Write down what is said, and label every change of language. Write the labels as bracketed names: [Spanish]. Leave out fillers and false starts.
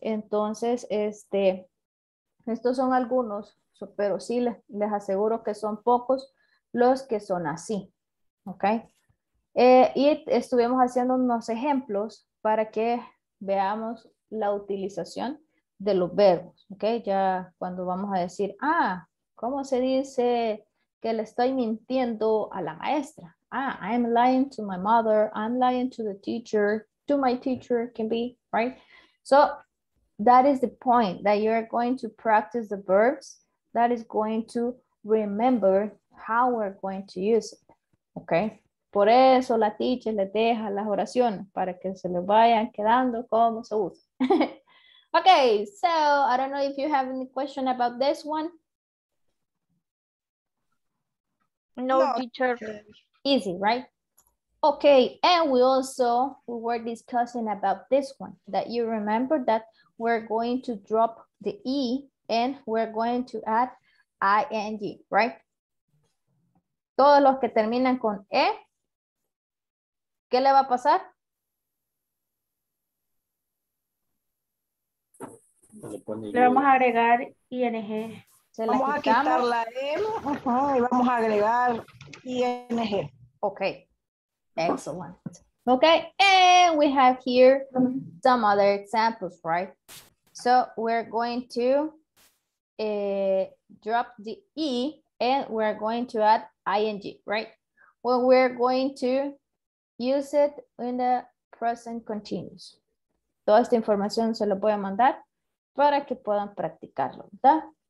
[Spanish] Entonces, estos son algunos, pero sí les aseguro que son pocos los que son así, ¿ok? Y estuvimos haciendo unos ejemplos para que veamos la utilización de los verbos, ¿ok? Ya cuando vamos a decir, ah, ¿cómo se dice que le estoy mintiendo a la maestra? [English] Ah, I'm lying to my mother, I'm lying to the teacher, to my teacher, can be, right? So, that is the point, that you are going to practice the verbs, that is going to remember how we're going to use it, ¿ok? [Spanish] Por eso la teacher les deja las oraciones, para que se les vayan quedando como se usa. [English] Okay, so I don't know if you have any question about this one. No, teacher. Easy, right? Okay, and we were discussing about this one, that you remember that we're going to drop the E and we're going to add ing, right? [Spanish] Todos los que terminan con E, ¿qué le va a pasar? Le vamos a agregar ING. Se vamos a quitar la E y vamos a agregar ING. [English] Ok. Excellent. Okay, and we have here some other examples, right? So we're going to drop the E and we're going to add ING, right? Well, we're going to use it in the present continuous. [Spanish] Toda esta información se la voy a mandar para que puedan practicarlo, ¿verdad?